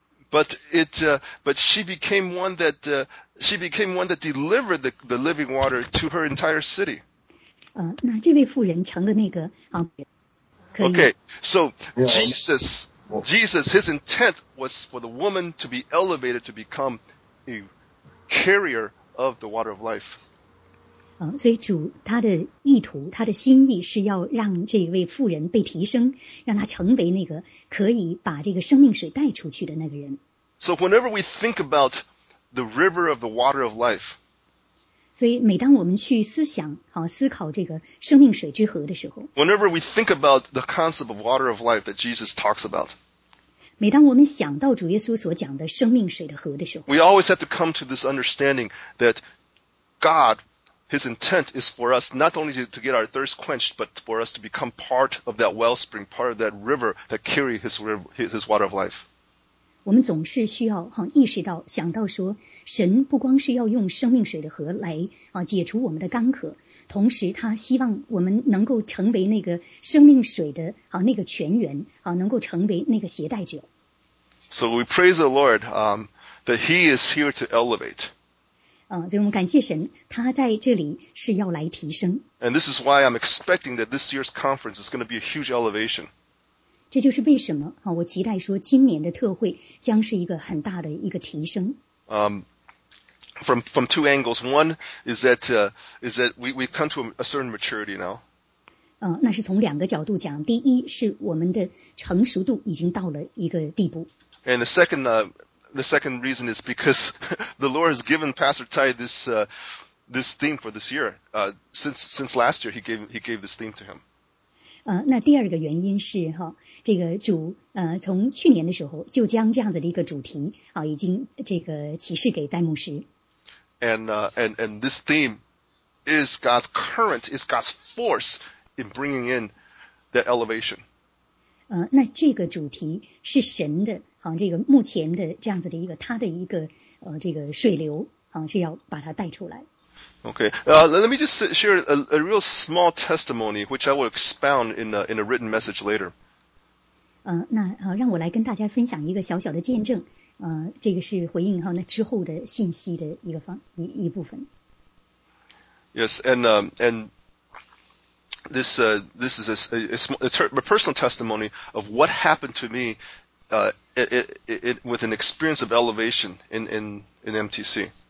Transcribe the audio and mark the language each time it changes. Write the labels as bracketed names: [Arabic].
[English] But it, but she became one that, she became one that delivered the living water to her entire city. [Chinese] 那这位妇人成了那个啊。 [English] Okay, so Jesus, his intent was for the woman to be elevated to become a carrier of the water of life. [Chinese] 所以主他的意图，他的心意是要让这位妇人被提升，让她成为那个可以把这个生命水带出去的那个人。 [English] So whenever we think about the river of the water of life, [Chinese] 所以每当我们去思想，思考这个生命水之河的时候 [English] ，whenever we think about the concept of water of life that Jesus talks about, [Chinese] 每当我们想到主耶稣所讲的生命水的河的时候 [English] ，we always have to come to this understanding that God, His intent is for us not only to get our thirst quenched, but for us to become part of that wellspring, part of that river that carry His water of life. [Chinese] 我们总是需要意识到想到说神不光是要用生命水的河来解除我们的干渴同时他希望我们能够成为那个生命水的那个泉源能够成为那个携带者。 [English] So we praise the Lord, that he is here to elevate. [Chinese] 所以我们感谢神他在这里是要来提升。 [English] And this is why I'm expecting that this year's conference is going to be a huge elevation. [Chinese] 这就是为什么我期待说今年的特会将是一个很大的一个提升。 [English] From two angles. One is that we've come to a certain maturity now. [Chinese] 那是从两个角度讲。第一是我们的成熟度已经到了一个地步。 [English] And the second reason is because the Lord has given Pastor Tai this theme for this year. Since last year he gave this theme to him. [Chinese] 那第二个原因是这个主从去年的时候就将这样子的一个主题已经这个启示给戴牧师。 [English] And this theme is God's current, is God's force in bringing in that elevation. [Chinese] 那这个主题是神的这个目前的这样子的一个他的一个这个水流是要把它带出来。 [English] Okay, let me just share a real small testimony, which I will expound in a written message later. [Chinese] 那让我来跟大家分享一个小小的见证。这个是回应那之后的信息的一部分。 [English] Yes, and this is a personal testimony of what happened to me with an experience of elevation in MTC.